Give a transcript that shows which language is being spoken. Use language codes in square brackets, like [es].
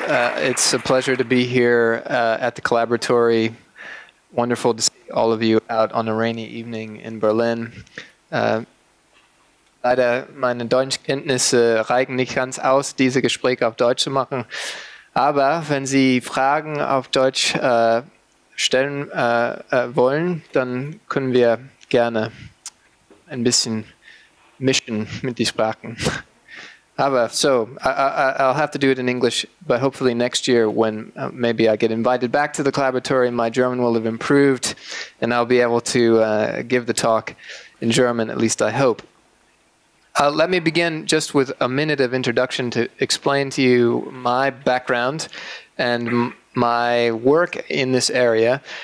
[en] It's a pleasure to be here at the Collaboratory. Wonderful to see all of you out on a rainy evening in Berlin. [de] Leider meine Deutschkenntnisse reichen nicht ganz aus, diese Gespräche auf Deutsch zu machen. Aber wenn Sie Fragen auf Deutsch stellen wollen, dann können wir gerne ein bisschen mischen mit den Sprachen. Aber so, [en] I'll have to do it in English, but hopefully next year when maybe I get invited back to the Collaboratory, my German will have improved and I'll be able to give the talk in German, at least I hope. Let me begin just with a minute of introduction to explain to you my background and my work in this area.